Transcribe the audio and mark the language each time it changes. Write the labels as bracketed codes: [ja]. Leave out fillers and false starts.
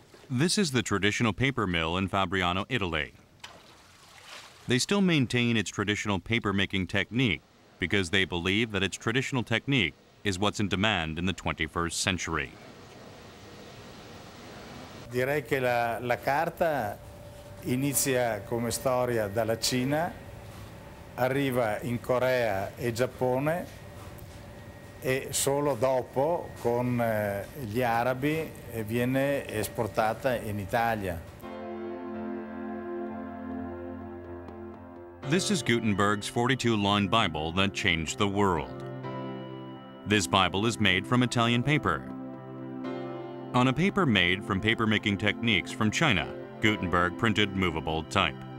[en] This is the traditional paper mill in Fabriano, Italy. They still maintain its traditional papermaking technique because they believe that its traditional technique is what's in demand in the 21st century. [it] Direi che la carta inizia come storia dalla Cina, arriva in Corea e Giappone e solo dopo con gli arabi viene esportata in Italia. [en] This is Gutenberg's 42-line Bible that changed the world. This Bible is made from Italian paper. On a paper made from papermaking techniques from China, Gutenberg printed movable type.